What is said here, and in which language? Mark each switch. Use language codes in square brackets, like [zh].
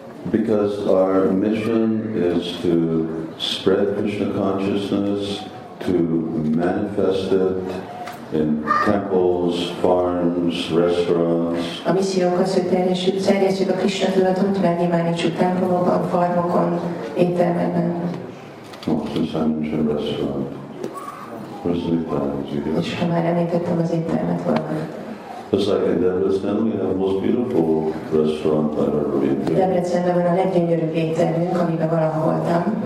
[en] Because our mission is to spread Krishna consciousness, to manifest it in temples, farms, restaurants. [hu] A missziónk az, hogy terjesszük a Krishna tudatot, megnyilvánítsuk templomokban, farmokon, éttermekben. [en] Most is I mentioned restaurant. Where's the McDonald's? [hu] És ha már említettem az éttermet valamit. [en] Just like in Debrecen, we have the most beautiful restaurant I've ever been to. [hu] Debrecenben van a leggyönyörűbb éttermünk, amiben valaha voltam.